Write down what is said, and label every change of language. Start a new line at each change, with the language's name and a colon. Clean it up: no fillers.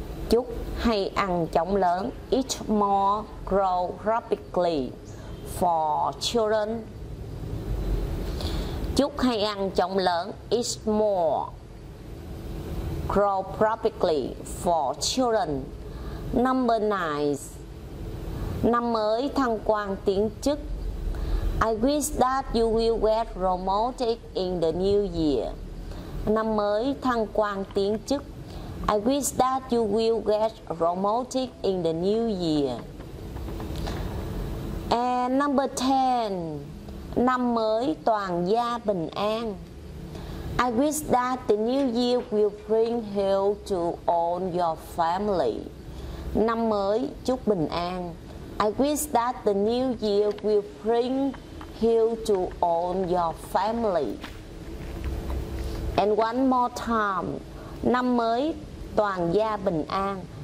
Vietnamese: Chúc hay ăn chóng lớn.
English: Eat more, grow rapidly for children.
Vietnamese: Chúc hay ăn chóng lớn.
English: Eat more, grow rapidly for children. Number nine,
Vietnamese: năm mới thăng quan tiến chức.
English: I wish that you will get promoted in the new year.
Vietnamese: Năm mới thăng quan tiến chức.
English: I wish that you will get romantic in the new year. And number 10,
Vietnamese: năm mới toàn gia bình an.
English: I wish that the new year will bring health to all your family.
Vietnamese: Năm mới chúc bình an.
English: I wish that the new year will bring health to all your family. And one more time,
Vietnamese: năm mới toàn gia bình an.